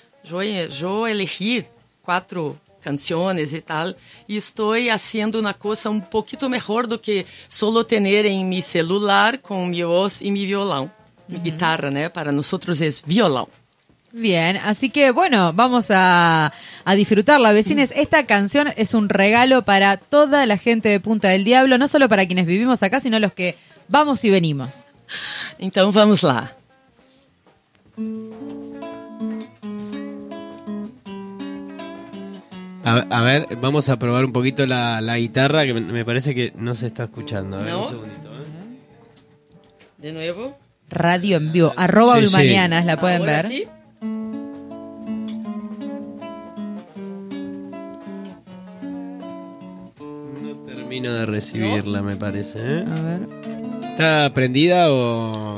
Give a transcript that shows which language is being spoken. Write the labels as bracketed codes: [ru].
[pt] Eu elegi 4 canções e tal, e estou fazendo uma coisa um pouquinho melhor do que só ter em meu celular com minha voz e meu violão. Uhum. Minha guitarra, né? Para nós é violão. [es] Bien, así que bueno, vamos a disfrutarla, vecines. Esta canción es un regalo para toda la gente de Punta del Diablo, no solo para quienes vivimos acá, sino los que vamos y venimos. [pt] Então vamos lá. [es] A ver, vamos a probar um poquito la guitarra, que me parece que não se está escuchando. A ver, no. Un segundito, [pt] De novo. [es] Radio en vivo, arroba Blumanianas, sí. La pueden ahora ver. Sí. No termino de recibirla, no. Me parece. A ver. ¿Está prendida o...?